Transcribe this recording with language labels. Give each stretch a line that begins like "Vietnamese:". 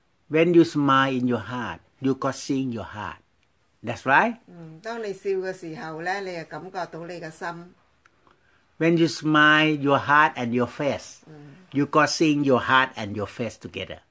English: When you smile in your heart, you got seeing your heart. That's right?
Chinese: 當你笑的時候,你就感覺到你的心。
English: When you smile, your heart and your face, you got seeing your heart and your face together.